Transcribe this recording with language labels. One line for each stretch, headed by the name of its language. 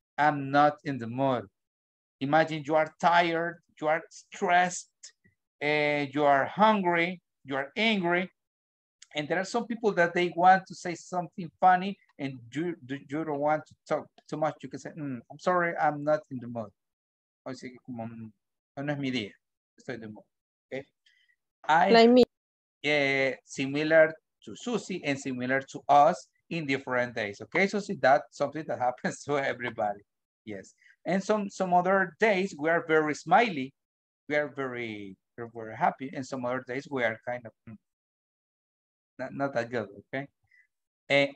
English: I'm not in the mood. Imagine you are tired. You are stressed, you are hungry, you are angry. And there are some people that they want to say something funny and you don't want to talk too much. You can say, I'm sorry, I'm not in the mood.
Spanish: O sea, como, no es mi día, estoy de mood.
English: Okay? Like me. Similar to Susie and similar to us in different days. Okay, Susie, that's something that happens to everybody. Yes. And some other days we are very smiley, we are very happy, and some other days we are kind of not that good, okay?